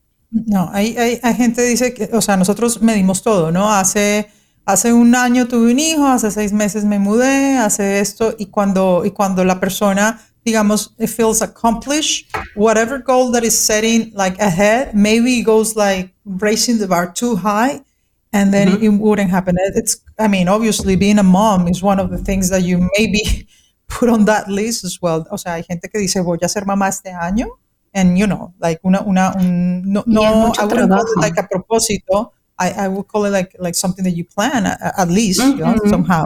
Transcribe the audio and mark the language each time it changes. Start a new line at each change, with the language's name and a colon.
Spanish: No, hay gente dice que, o sea, nosotros medimos todo, ¿no? Hace un año tuve un hijo, hace 6 meses me mudé, hace esto, y cuando la persona...
English: digamos, it feels accomplished, whatever goal that is setting like ahead, maybe it goes like raising the bar too high and then it wouldn't happen. It's, I mean, obviously being a mom is one of the things that you maybe put on that list as well.
Spanish: O sea, hay gente que dice, voy a ser mamá este año
English: and you know, like I wouldn't call it like a propósito. I would call it like something that you plan at least, you know, somehow.